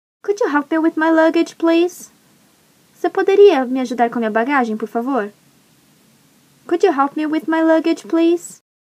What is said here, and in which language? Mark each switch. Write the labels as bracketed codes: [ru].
[en] Could you help me with my luggage, please? [pt] Você poderia me ajudar com minha bagagem, por favor? [en] Could you help me with my luggage, please?